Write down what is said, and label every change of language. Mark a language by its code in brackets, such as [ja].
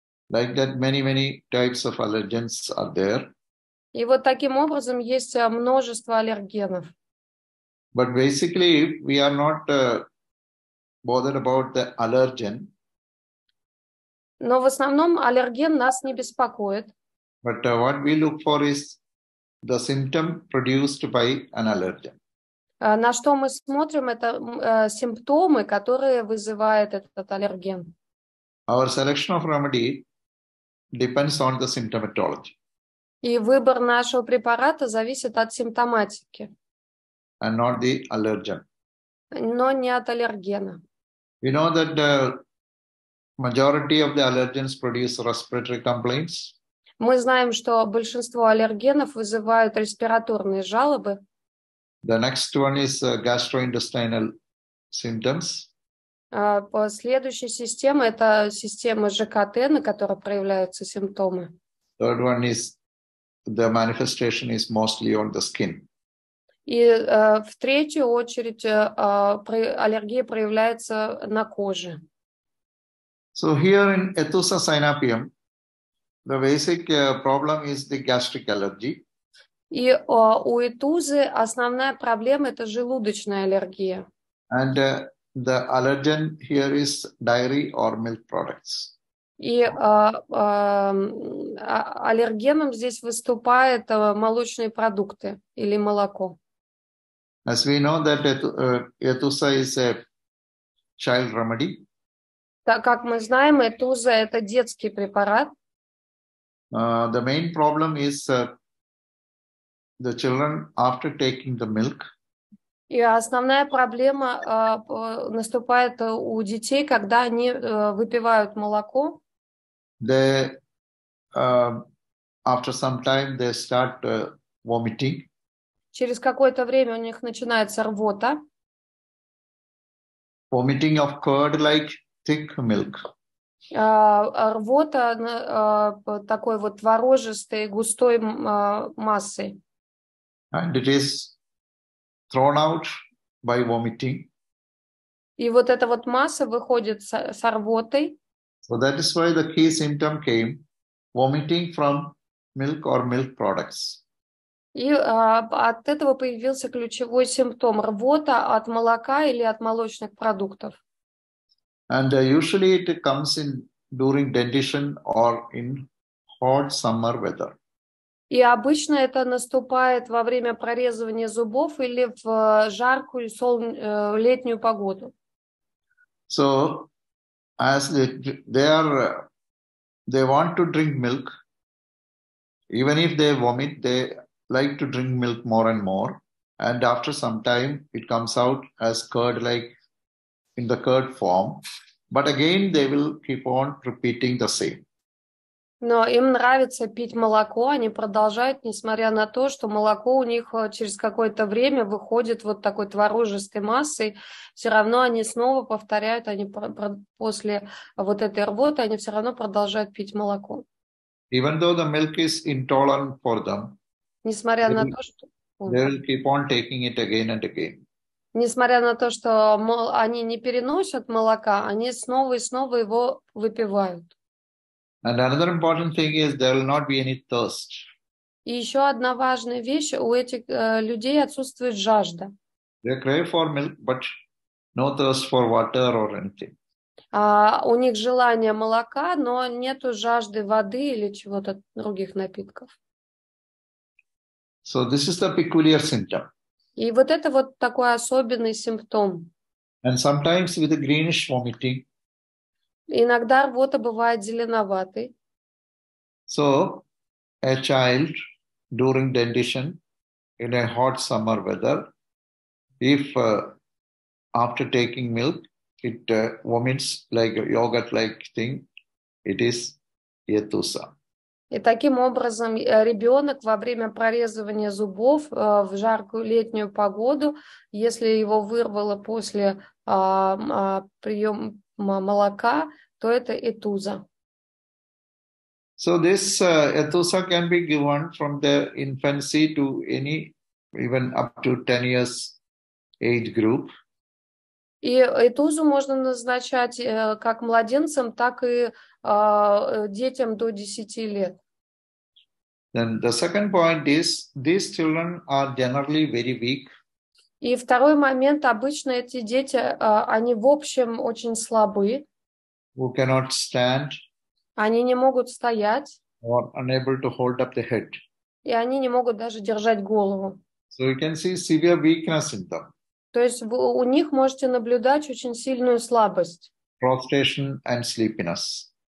[en] Like that, many types of allergens are there. [ru] И вот таким образом есть множество аллергенов. [en] But basically, we are not bothered about the allergen. [ru] Но в основном аллерген нас не беспокоит. [en] But what we look for is the symptom produced by an allergen. [ru] На что мы смотрим, это симптомы, которые вызывает этот аллерген. [en] Our selection of remedy depends on the symptomatology. [ru] И выбор нашего препарата зависит от симптоматики. [en] And not the allergen. [ru] Но не от аллергена. [en] We know that the majority of the allergens produce respiratory complaints. [ru] Мы знаем, что большинство аллергенов вызывают респираторные жалобы. [en] The next one is gastrointestinal symptoms. [ru] Следующая система – это система ЖКТ, на которой проявляются симптомы. [en] Third one is the manifestation is mostly on the skin. [ru] И в третью очередь аллергия проявляется на коже. [en] So here in etusasynapium, the basic problem is the gastric allergy. [ru] И у этузы основная проблема – это желудочная аллергия. [en] And the allergen here is dairy or milk products. [ru] И аллергеном здесь выступает молочные продукты или молоко. [en] As we know that etusa is a child remedy. [ru] Так как мы знаем, этуза – это детский препарат. [en] The main problem is the children after taking the milk. [ru] И основная проблема наступает у детей, когда они выпивают молоко. [en] They, after some time they start vomiting. [ru] Через какое-то время у них начинается рвота. [en] Vomiting of curd-like thick milk. [ru] Рвота такой вот творожистой густой массы. [en] And it is thrown out by vomiting. [ru] И вот эта вот масса выходит с рвотой. [en] So that is why the key symptom came, vomiting from milk or milk products. [ru] И от этого появился ключевой симптом – рвота от молока или от молочных продуктов. [en] And usually it comes in during dentition or in hot summer weather. [ru] И обычно это наступает во время прорезывания зубов или в жаркую летнюю погоду. [en] So, as they want to drink milk, even if they vomit, they like to drink milk more and more. And after some time, it comes out as curd-like, in the curd form. But again, they will keep on repeating the same. [ru] Но им нравится пить молоко, они продолжают, несмотря на то, что молоко у них через какое-то время выходит вот такой творожистой массой, все равно они снова повторяют, они после вот этой работы, они все равно продолжают пить молоко. [en] Even though the milk is intolerant for them, [ru] несмотря на то, что... [en] they will keep on taking it again and again. [ru] Несмотря на то, что они не переносят молока, они снова и снова его выпивают. [en] And another important thing is there will not be any thirst. [ru] И еще одна важная вещь, у этих людей отсутствует жажда. [en] They crave for milk, but no thirst for water or anything. [ru] У них желание молока, но нету жажды воды или чего-то других напитков. [en] So this is the peculiar symptom. [ru] И вот это вот такой особенный симптом. [en] And sometimes with a greenish vomiting. [ru] Иногда рвота бывает зеленоватой. [en] So, a child during dentition in a hot summer weather, if after taking milk, it vomits like a yogurt-like thing, it is yetusa. [ru] И таким образом, ребенок во время прорезывания зубов в жаркую летнюю погоду, если его вырвало после приема молока, то это этуза. [en] So this etusa can be given from the infancy to any, even up to 10 years age group. [ru] И этузу можно назначать как младенцам, так и детям до 10 лет. [en] Then the second point is these children are generally very weak. [ru] И второй момент, обычно эти дети, они в общем очень слабые. [en] Who cannot stand? [ru] Они не могут стоять. [en] Or unable to hold up the head. [ru] И они не могут даже держать голову. [en] So you can see severe weakness in them. [ru] То есть вы у них можете наблюдать очень сильную слабость. [en] Prostration and sleepiness.